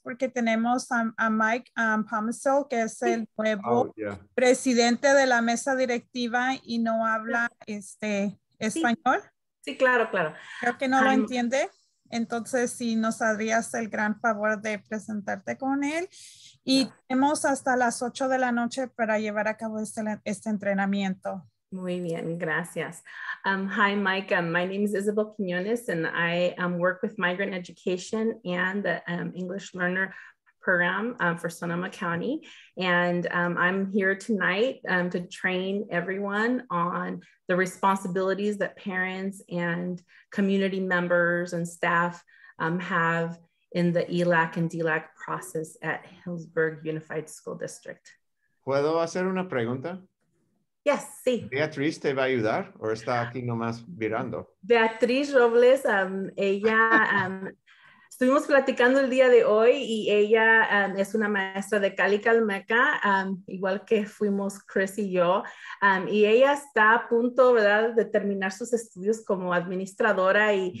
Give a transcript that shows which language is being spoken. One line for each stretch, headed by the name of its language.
Spanish: Porque tenemos a Mike Pomisil, que es el nuevo presidente de la mesa directiva y no habla español. Sí, claro. Creo que no lo entiende. Entonces, si nos harías el gran favor de presentarte con él. Y tenemos hasta las 8 de la noche para llevar a cabo este entrenamiento. Muy bien, gracias.
English: Hi,
Spanish: Mike.
English: My name is Isabel Quiñones, and I work with Migrant Education and the English Learner Program for Sonoma County. And I'm here tonight to train everyone on the responsibilities that parents and community members and staff have in the ELAC and DLAC process at Hillsburg Unified School District.
Spanish: ¿Puedo hacer una pregunta?
English: Yes, sí.
Spanish: ¿Beatriz te va a ayudar o está aquí nomás mirando? Beatriz Robles, ella... Estuvimos platicando el día de hoy y ella es una maestra de Cali Calmeca, igual que fuimos Chris y yo, y ella está a punto, ¿verdad?, de terminar sus estudios como administradora y,